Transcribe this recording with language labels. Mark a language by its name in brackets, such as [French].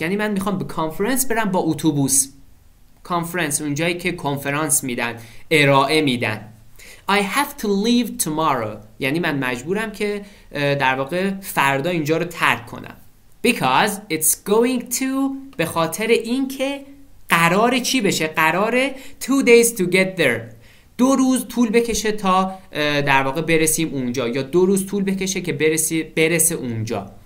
[Persian] یعنی من میخوام به کانفرنس برم با اتوبوس. کانفرنس اونجایی که کنفرانس میدن، ارائه میدن. [English] I have to leave tomorrow. [Persian] یعنی من مجبورم که در واقع فردا اینجا رو ترک کنم. [English] Because it's going to، [Persian] به خاطر این که قراره چی بشه؟ قراره [English] 2 days to get there. [Persian] 2 روز طول بکشه تا در واقع برسیم اونجا، یا 2 روز طول بکشه که برسه اونجا.